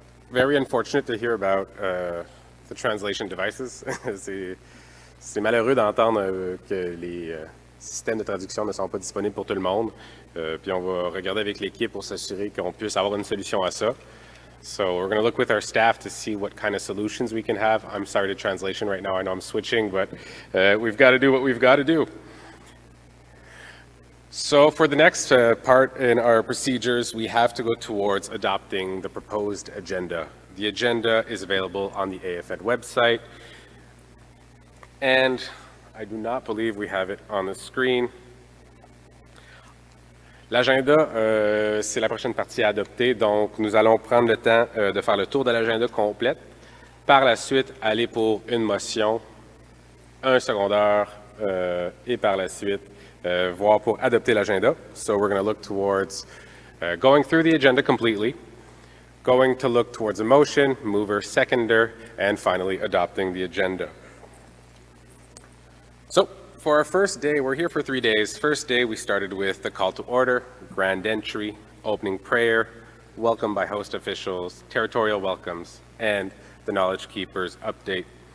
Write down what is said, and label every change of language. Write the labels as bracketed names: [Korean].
[English] Very unfortunate to hear about the translation devices. [French] c'est malheureux d'entendre que les systèmes de traduction ne sont pas disponibles pour tout le monde. Puis on va regarder avec l'équipe pour s'assurer qu'on puisse avoir une solution à ça. [English] So we're going to look with our staff to see what kind of solutions we can have. I'm sorry to translation right now. I know I'm switching, but we've got to do what we've got to do. So for the next part in our procedures, we have to go towards adopting the proposed agenda. The agenda is available on the AFN website. And I do not believe we have it on the screen. [French] L'agenda, c'est la prochaine partie à adopter. Donc, nous allons prendre le temps de faire le tour de l'agenda complète. Par la suite, aller pour une motion, un secondaire, et par la suite, voir pour adopter l'agenda. [English] So we're going to look towards going through the agenda completely, going to look towards a motion, mover, seconder, and finally adopting the agenda. So for our first day, we're here for 3 days. First day, we started with the call to order, grand entry, opening prayer, welcome by host officials, territorial welcomes, and the knowledge keepers update.